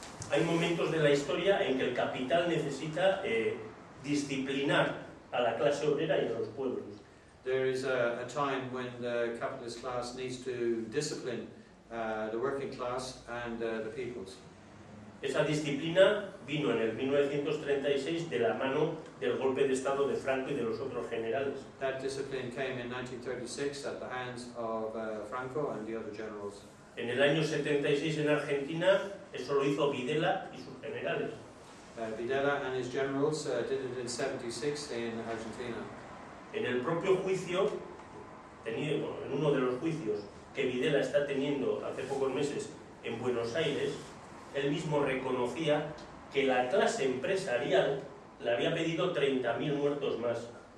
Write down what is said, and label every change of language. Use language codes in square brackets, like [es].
[es] Hay momentos de la historia en que el capital necesita disciplinar a la clase obrera y a los pueblos. [en] There is a time when the capitalist class needs to discipline the working class and the peoples. [es] Esa disciplina vino en el 1936 de la mano del golpe de estado de Franco y de los otros generales. [en] That discipline came in 1936 at the hands of Franco and the other generals. [es] En el año 76 en Argentina eso lo hizo Videla y sus generales. [en] Videla and his generals did it in 76 in Argentina. [es] En el propio juicio, en uno de los juicios que Videla está teniendo hace pocos meses en Buenos Aires, él mismo reconocía que la clase empresarial le había pedido 30.000 muertos más.